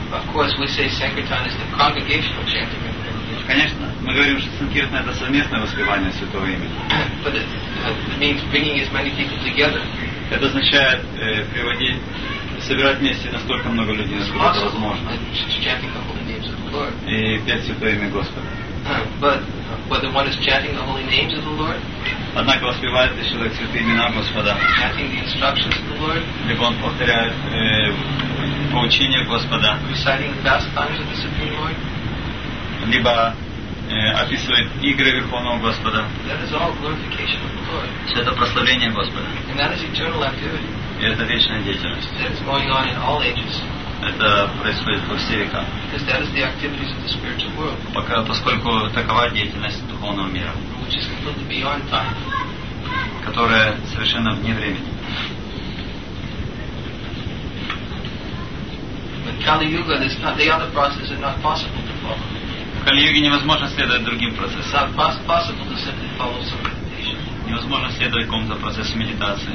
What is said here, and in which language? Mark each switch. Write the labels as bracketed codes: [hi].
[en] Of course, we say sankirtan is the congregational chanting. [ru] Конечно, мы говорим, что санкиртана — это совместное воспевание святого имени. [en] But it means bringing as many people together. [ru] Это означает приводить, собирать вместе настолько много людей, насколько это возможно. [en] Chanting the holy names of the Lord. [ru] И петь святое имя Господа. [en] But whether one is chanting the holy names of the Lord. [ru] Однако воспевает ли человек святые имена Господа? [en] Chanting the instructions of the Lord. [ru] Либо он повторяет поучение Господа. [en] Reciting the pastimes of the Supreme Lord. [ru] Либо описывает игры Верховного Господа. [en] That is all glorification of the Lord. [ru] Все это прославление Господа. [en] And that is eternal activity. [ru] И это вечная деятельность. [en] That is going on in all ages. [ru] Это происходит во все века. [en] Because that is the activities of the spiritual world. [ru] Пока, поскольку такова деятельность духовного мира. [en] Which is completely beyond time. [ru] Которая совершенно вне времени. [en] But Kali-Yuga, the other processes are not possible to follow. [ru] В Кали-Юге невозможно следовать другим процессам. [en] It's not possible to simply follow some meditation. [ru] Невозможно следовать какому-то процессу медитации.